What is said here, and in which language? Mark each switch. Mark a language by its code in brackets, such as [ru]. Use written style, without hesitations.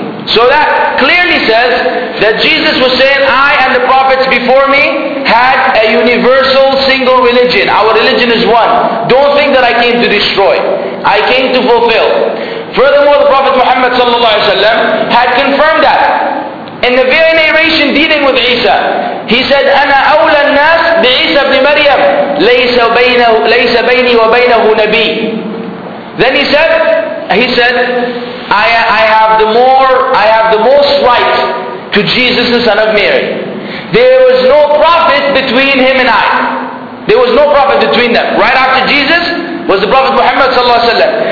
[en] So that clearly says that Jesus was saying, I and the prophets before me had a universal single religion. Our religion is one. Don't think that I came to destroy. I came to fulfill. Furthermore, the Prophet Muhammad had confirmed that. In the very narration dealing with Isa, he said, [ar] أَنَا أَوْلَى النَّاسِ بِعِيسَى بْنِ مَرْيَمُ لَيْسَ بَيْنِي وَبَيْنَهُ نَبِيٌّ. [en] Then he said, I have the most right to Jesus, the son of Mary. There was no prophet between him and I. There was no prophet between them. Right after Jesus was the Prophet Muhammad sallallahu alaihi wasallam.